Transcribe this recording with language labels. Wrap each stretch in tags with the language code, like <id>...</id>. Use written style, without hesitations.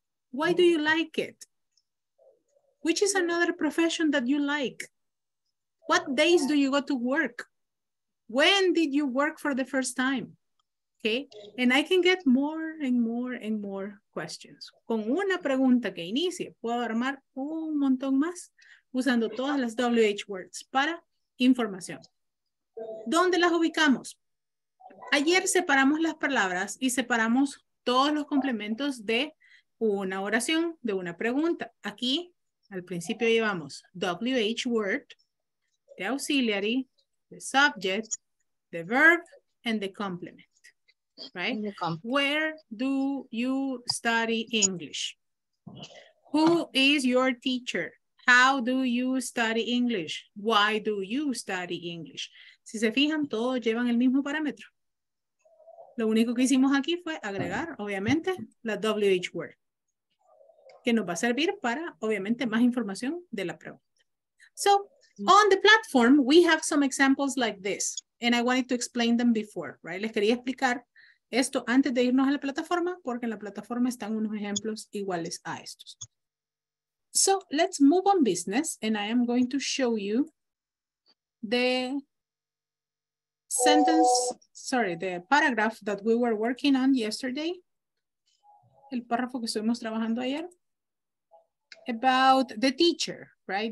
<en>Why do you like it? Which is another profession that you like? What days do you go to work? When did you work for the first time? Okay, and I can get more and more and more questions.</en> <es>Con una pregunta que inicie, puedo armar un montón más usando todas las WH words para información. ¿Dónde las ubicamos? Ayer separamos las palabras y separamos todos los complementos de una oración, de una pregunta. Aquí, al principio llevamos</es> <en>WH word, the auxiliary, the subject, the verb, and the complement, right? Where do you study English? Who is your teacher? How do you study English? Why do you study English?</en> <es>Si se fijan, todos llevan el mismo parámetro. Lo único que hicimos aquí fue agregar, obviamente, la WH word, que nos va a servir para, obviamente, más información de la pregunta.</es> <en>So, on the platform, we have some examples like this, and I wanted to explain them before, right?</en> <es>Les quería explicar esto antes de irnos a la plataforma, porque en la plataforma están unos ejemplos iguales a estos.</es> <en>So, let's move on business, and I am going to show you the sentence, sorry, the paragraph that we were working on yesterday,</en> <es>el párrafo que estuvimos trabajando ayer,</es> <en>about the teacher, right?</en>